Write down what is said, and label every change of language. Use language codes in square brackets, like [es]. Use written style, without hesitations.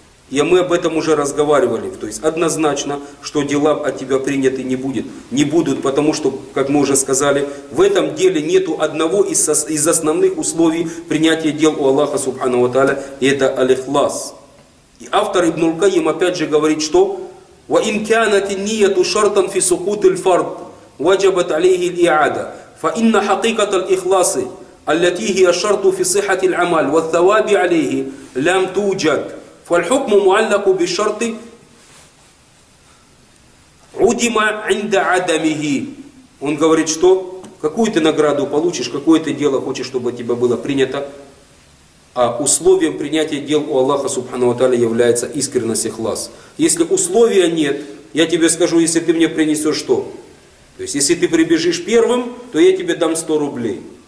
[ru] И мы об этом уже разговаривали. То есть однозначно, что дела от тебя приняты не будут, потому что, как мы уже сказали, в этом деле нету одного из основных условий принятия дел у Аллаха Субхану ва Тааля, и это аль-ихлас. И автор Ибн аль-Кайим опять же говорит, что [ar] «Ва ин кянат ан-ният шартан фи сукут аль-фард». Ваджабат алейхи аль-иада. فإن حقيقة الإخلاص التي هي الشرط في صحة العمل والثواب عليه لم توجد، فالحكم معلق بالشرط عدم عند عدمه. [ru] Он говорит, что какую ты награду получишь, какое ты дело хочешь, чтобы от тебя было принято, а условием принятия дел у Аллаха Субхану ва Тааля является искренность и ихлас. Если условия нет, я тебе скажу, если ты мне принесешь что? То есть, если ты прибежишь первым, то я тебе дам 100 рублей.